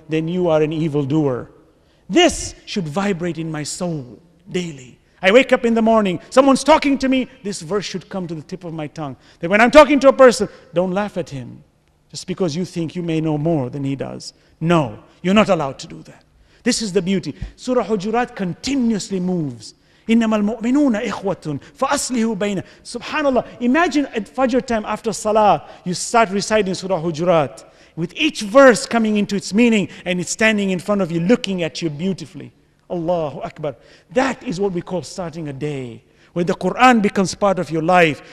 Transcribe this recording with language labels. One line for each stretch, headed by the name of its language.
English: Then you are an evildoer. This should vibrate in my soul daily. I wake up in the morning, someone's talking to me, this verse should come to the tip of my tongue. That when I'm talking to a person, don't laugh at him just because you think you may know more than he does. No, you're not allowed to do that. This is the beauty. Surah Hujurat continuously moves.
Arabic: إنما المؤمنون إخوة فأصلحوا بين.
English: Subhanallah, imagine at Fajr time after Salah, you start reciting Surah Hujurat, with each verse coming into its meaning and it's standing in front of you, looking at you beautifully. Allahu Akbar. That is what we call starting a day, when the Quran becomes part of your life.